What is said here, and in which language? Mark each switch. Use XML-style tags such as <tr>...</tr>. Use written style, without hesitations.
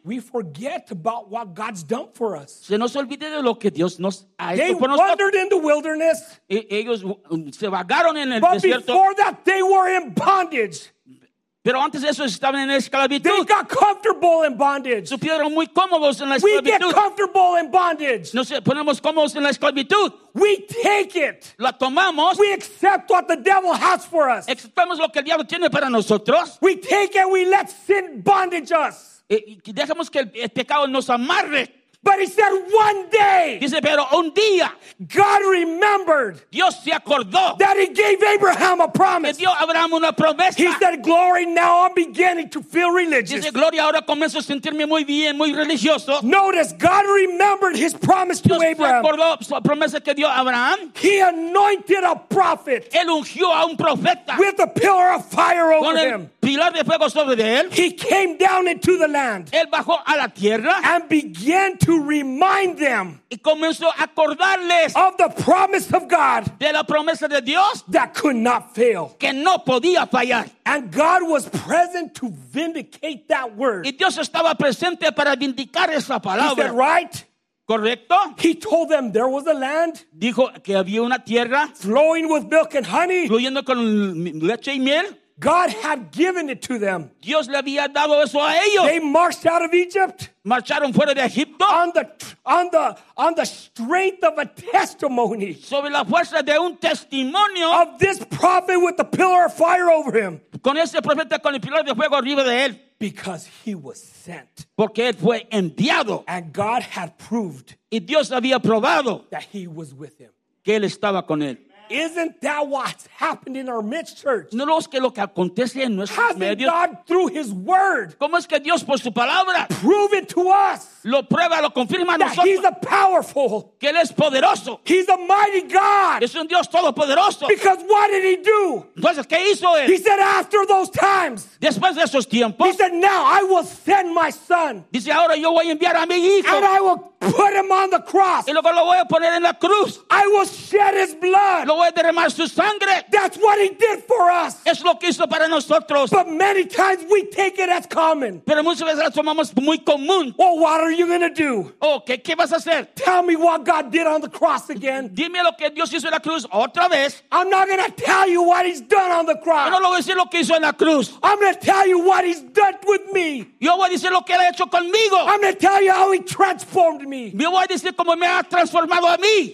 <en>We forget about what God's done for us.</en> <es>Se nos olvida de lo que Dios nos ha hecho por nosotros.</es> <en>They wandered in the wilderness.</en> <es>Ellos se vagaron en el desierto.</es> <en>But before that, they were in bondage.</en> <es>Pero antes de eso estaban en esclavitud.</es> <en>They got comfortable in bondage.</en> <es>Supieron muy cómodos en la esclavitud.</es> <en>We get comfortable in bondage.</en> <es>Nos ponemos cómodos en la esclavitud.</es> <en>We take it.</en> <es>La tomamos.</es> <en>We accept what the devil has for us.</en> <es>Aceptamos lo que el diablo tiene para nosotros.</es> <en>We take it. We let sin bondage us.</en> <es>Y dejamos que el pecado nos amarre.</es> <en>But he said one day.</en> <es>Dice, pero un día.</es> <en>God remembered.</en> <es>Dios se acordó.</es> <en>That he gave Abraham a promise.</en> <es>Que dio a Abraham una promesa.</es> <en>He said, glory, now I'm beginning to feel religious.</en> <es>Dice, gloria, ahora comienzo a sentirme muy bien, muy religioso.</es> <en>Notice, God remembered his promise</en> <es>Dios</es> <en>to Abraham.</en> <es>Se acordó su promesa que dio a Abraham.</es> <en>He anointed a prophet.</en> <es>Él ungió a un profeta.</es> <en>With a pillar of fire over him.</en> <es>Pilar de fuego sobre de él.</es> <en>He came down into the land.</en> <es>Él bajó a la tierra.</es> <en>And began to remind them.</en> <es>Y comenzó a acordarles.</es> <en>Of the promise of God.</en> <es>De la promesa de Dios.</es> <en>That could not fail.</en> <es>Que no podía fallar.</es> <en>And God was present to vindicate that word.</en> <es>Y Dios estaba presente para vindicar esa palabra.</es> <en>He said, right?</en> <es>Correcto.</es> <en>He told them there was a land.</en> <es>Dijo que había una tierra.</es> <en>Flowing with milk and honey.</en> <es>Fluyendo con leche y miel.</es> <en>God had given it to them.</en> <es>Dios le había dado eso a ellos.</es> <en>They marched out of Egypt.</en> <es>Marcharon fuera de Egipto.</es> <en>On the strength of a testimony.</en> <es>Sobre la fuerza de un testimonio.</es> <en>Of this prophet with the pillar of fire over him.</en> <es>Con ese profeta con el pilar de fuego arriba de él.</es> <en>Because he was sent.</en> <es>Porque él fue enviado.</es> <en>And God had proved.</en> <es>Y Dios había probado.</es> <en>That he was with him.</en> <es>Que él estaba con él.</es> <en>Isn't that what's happened in our midst, church?</en> <es>¿No es que lo que acontece en nuestro medio?</es> <en>Hasn't God through His Word?</en> <es>¿Cómo es que Dios por su palabra?</es> <en>Prove it to us.</en> <es>Lo prueba, lo confirma a nosotros.</es> <en>He's a powerful.</en> <es>Que él es poderoso.</es> <en>He's a mighty God.</en> <es>Es un Dios todopoderoso.</es> <en>Because what did He do?</en> <es>Entonces, ¿qué hizo él?</es> <en>He said after those times.</en> <es>Después de esos tiempos.</es> <en>He said now I will send my Son.</en> <es>Dice ahora yo voy a enviar a mi hijo.</es> <en>And I will put Him on the cross.</en> <es>Y luego lo voy a poner en la cruz.</es> <en>I will shed His blood.</en> <es>Lo voy a derramar su sangre.</es> <en>That's what He did for us.</en> <es>Es lo que hizo para nosotros.</es> <en>But many times we take it as common.</en> <es>Pero muchas veces lo tomamos muy común.</es> <en>Well, what are you going to do?</en> <es>Okay, ¿qué vas a hacer?</es> <en>Tell me what God did on the cross again.</en> <es>Dime lo que Dios hizo en la cruz otra vez.</es> <en>I'm not going to tell you what He's done on the cross.</en> <es>Yo no lo voy a decir lo que hizo en la cruz.</es> <en>I'm going to tell you what He's done with me.</en> <es>Yo voy a decir lo que Él ha hecho conmigo.</es> <en>I'm going to tell you how He transformed me.</en> <es>Me voy a decir cómo me ha transformado a mí.</es>